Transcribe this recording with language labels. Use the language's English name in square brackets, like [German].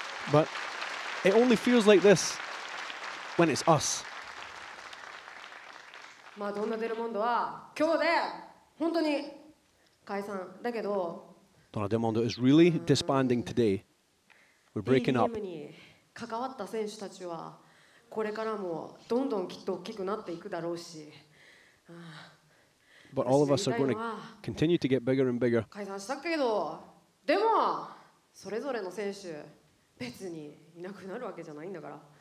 [English] But it only feels like this when it's us. Donna Del Mondo is really disbanding today. Is really disbanding today. We're breaking up. [Japanese] 関わった選手たちはこれからもどんどんきっと大きくなっていくだろうし。 [English] But all of us are going to continue to get bigger and bigger. [Japanese] 解散したけど、でもそれぞれの選手別にいなくなるわけじゃないんだから。